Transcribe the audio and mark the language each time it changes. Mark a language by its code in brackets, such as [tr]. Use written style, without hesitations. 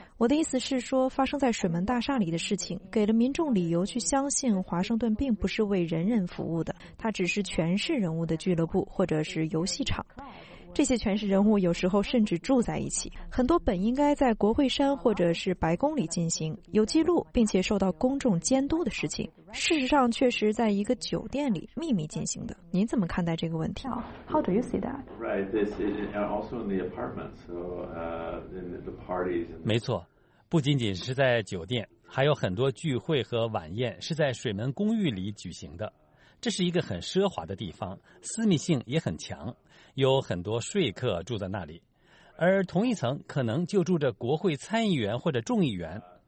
[zh] 我的意思是说，发生在水门大厦里的事情给了民众理由去相信华盛顿并不是为人人服务的，它只是权势人物的俱乐部或者是游戏场。这些权势人物有时候甚至住在一起，很多本应该在国会山或者是白宫里进行有记录并且受到公众监督的事情，事实上确实在一个酒店里秘密进行的。您怎么看待这个问题？ [en] How do you see that? Right, this is also in the apartments, so in the parties. [zh] 没错，不仅仅是在酒店，还有很多聚会和晚宴是在水门公寓里举行的。这是一个很奢华的地方，私密性也很强，有很多说客住在那里，而同一层可能就住着国会参议员或者众议员。